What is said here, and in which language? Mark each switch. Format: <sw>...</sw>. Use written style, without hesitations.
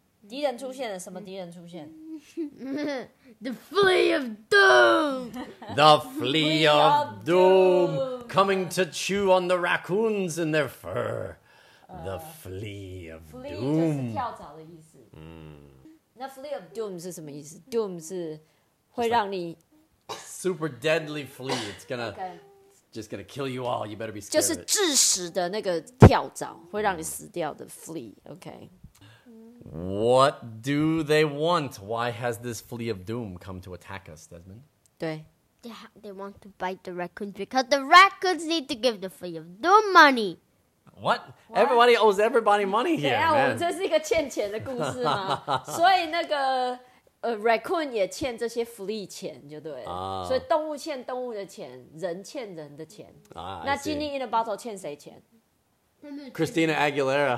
<zh>敌人出现了，什么敌人出现？</zh> <en>The flea of doom. The flea of doom coming to chew on the raccoons in their fur. The flea of doom.</en> <zh>Flea 就是跳蚤的意思。那 flea of doom 是什么意思？ Doom 是会让你</zh> <en>Super deadly flea. It's gonna, just gonna kill you all. You better be scared.</en> <zh>就是致死的那个跳蚤，会让你死掉的 flea. Okay.</zh> <en>What do they want? Why has this flea of doom come to attack us, Desmond?</en> <zh>对</zh> <en>they want to bite the raccoons because the raccoons need to give the flea of doom money. What? Everybody owes everybody money here.</en> <zh>等一下，我们这是一个欠钱的故事吗？所以那个。 raccoon 也欠这些福利钱就对了、 oh. 所以动物欠动物的钱人欠人的钱、 oh, 那 Genie in a bottle 欠谁钱</zh> <en>Christina Aguilera</en>